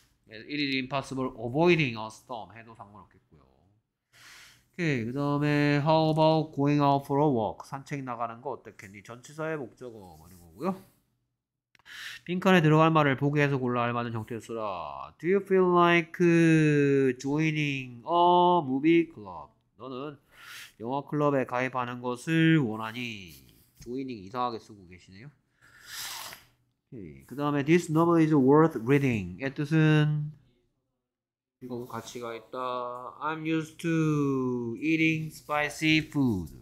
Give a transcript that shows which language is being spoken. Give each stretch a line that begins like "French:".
English: It is impossible avoiding a storm
Korean: 해도 상관없겠고요. 오케이, 그 다음에
English: How about going out for a walk?
Korean: 산책 나가는 거 어떻겠니? 전치사의 목적어 말인 거고요. 빈칸에 들어갈 말을 보기에서 골라 알맞은 형태로 써라.
English: Do you feel like joining a movie club?
Korean: 너는 영화 클럽에 가입하는 것을 원하니? Joining 이상하게 쓰고 계시네요. 그 다음에
English: This novel is worth reading.
Korean: 의 뜻은 이거 가치가 있다.
English: I'm used to eating spicy food.